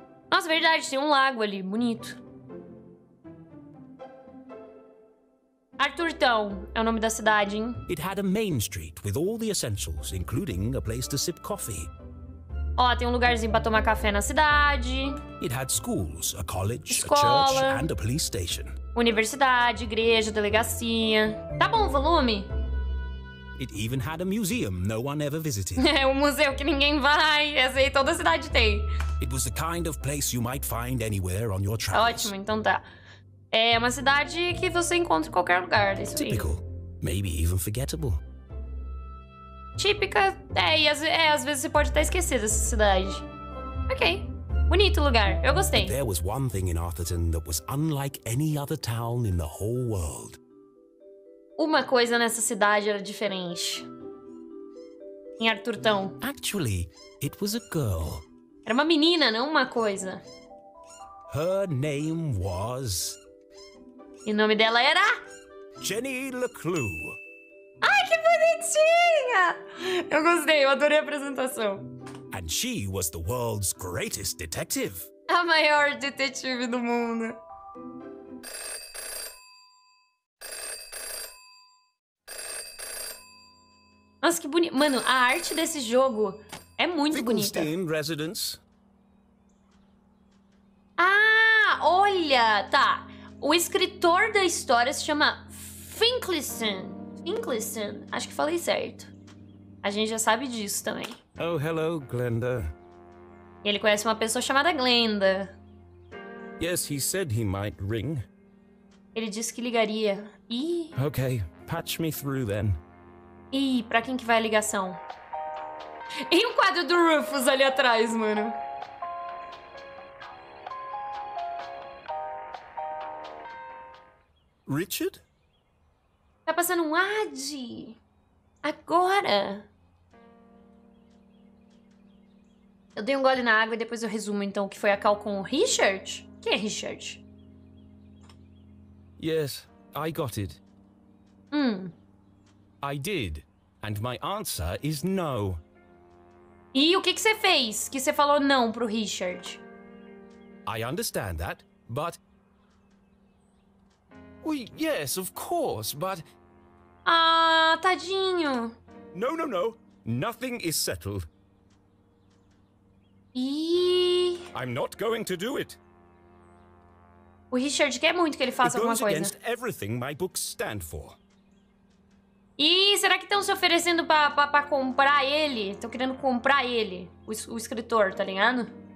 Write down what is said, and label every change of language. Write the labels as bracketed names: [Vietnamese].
[Portuguese] Nossa, verdade, tem um lago ali, bonito. Arthurton é o nome da cidade, hein? [English] It had a main street with all the essentials, including a place to sip coffee. [Portuguese] Ó, tem um lugarzinho pra tomar café na cidade. [English] It had schools, a college, [Portuguese] escola, [English] a church and a police station. [Portuguese] Universidade, igreja, delegacia. Tá bom o volume? [English] It even had a museum no one ever visited. [Portuguese] É um museu que ninguém vai. Essa aí toda a cidade tem. [English] It was the kind of place you might find anywhere on your travels. [Portuguese] Ótimo, então tá. É uma cidade que você encontra em qualquer lugar, isso aí. [English] Typical, maybe even forgettable. [Portuguese] Típica, às vezes você pode até esquecer dessa cidade. Ok, bonito lugar, eu gostei. [English] But there was one thing in Arthurton that was unlike any other town in the whole world. [Portuguese] Uma coisa nessa cidade era diferente. Em Arthurton. [English] Actually, it was a girl. [Portuguese] Era uma menina, não uma coisa. [English] Her name was... [Portuguese] E o nome dela era... [English] Jenny LeClue. [Portuguese] Ai, que bonitinha! Eu gostei, eu adorei a apresentação. [English] And she was the world's greatest detective. [Portuguese] A maior detetive do mundo. Nossa, que bonito. Mano, a arte desse jogo é muito bonita. [English] Residence. [Portuguese] Ah, olha, tá. O escritor da história se chama Finkelstein. Finkelstein, acho que falei certo. A gente já sabe disso também. [English] Oh, hello, Glenda. [Portuguese] Ele conhece uma pessoa chamada Glenda. [English] Yes, he said he might ring. [Portuguese] Ele disse que ligaria. Ih. [English] Okay, patch me through then. [Portuguese] Ih, pra quem que vai a ligação? E o quadro do Rufus ali atrás, mano. [English] Richard? [Portuguese] Tá passando um ad. Agora. Eu dei um gole na água e depois eu resumo, então, o que foi a call com o Richard? Quem é Richard? [English] Yes, I got it. I did. And my answer is no. [Portuguese] E o que você fez? Que você falou não pro Richard? [English] I understand that, but... Well, yes, of course, but... [Portuguese] Ah, tadinho. [English] No, no, no. Nothing is settled. I'm not going to do it. [Portuguese] O Richard quer muito que ele faça alguma coisa. [English] It goes against everything my books stand for. [Portuguese] Ih, será que estão se oferecendo pra comprar ele? Estão querendo comprar ele, o escritor, tá ligado?